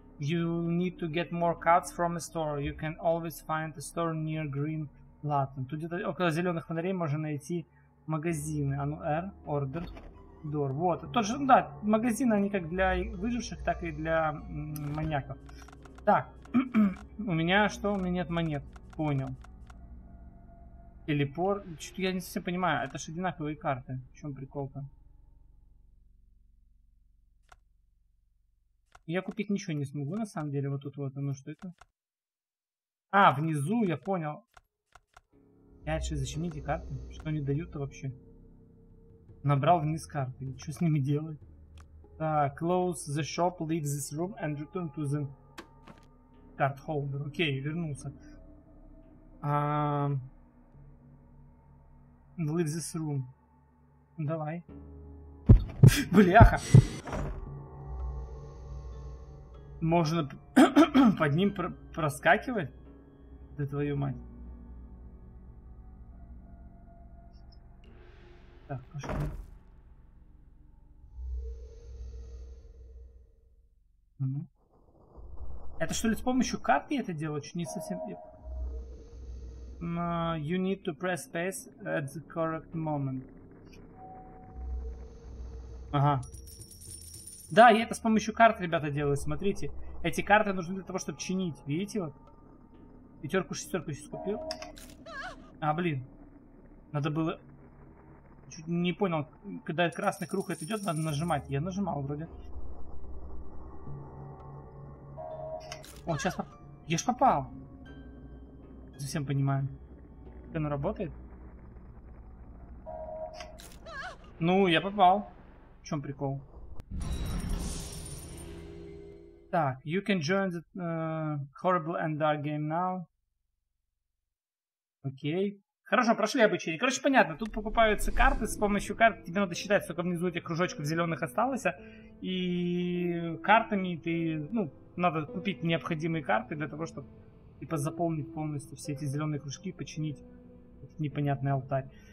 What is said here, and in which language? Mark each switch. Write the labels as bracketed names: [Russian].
[English] You need to get more cards from a store. You can always find a store near green Latin. [Russian] Тут где-то около зеленых фонарей можно найти магазины. А ну, R, order, door. Вот, тот же, да, магазины, они как для выживших, так и для маньяков. Так, у меня что? У меня нет монет. Понял. Телепорт. Что-то я не совсем понимаю. Это же одинаковые карты. В чем прикол-то? Я купить ничего не смогу, на самом деле. Вот тут вот. Ну что это? А, внизу, я понял. Я что, зачем мне эти карты? Что они дают-то вообще? Набрал вниз карты. Что с ними делать? [English] Так, close the shop, leave this room and return to the card holder. [Russian] Окей, вернулся. [English] Leave this room. [Russian] Давай. Бляха. Можно под ним проскакивай. Да твою мать. Так, пошли. Угу. Это что ли с помощью карты я это делаю? Чуть не совсем. [English] You need to press space at the correct moment. [Russian] Ага. Да, я это с помощью карт, ребята, делаю. Смотрите, эти карты нужны для того, чтобы чинить. Видите, вот? Пятерку, шестерку сейчас купил. А, блин. Надо было... Чуть не понял, когда красный круг это идет, надо нажимать. Я нажимал вроде. О, сейчас попал. Я ж попал. Совсем понимаю. Оно работает? Ну, я попал. В чем прикол? [English] Так, you can join the horrible and dark game now. [Russian] Окей. Хорошо, прошли обучение. Короче, понятно, тут покупаются карты, с помощью карт тебе надо считать, сколько внизу этих кружочков зеленых осталось. И картами ты, ну, надо купить необходимые карты для того, чтобы типа заполнить полностью все эти зеленые кружки и починить этот непонятный алтарь.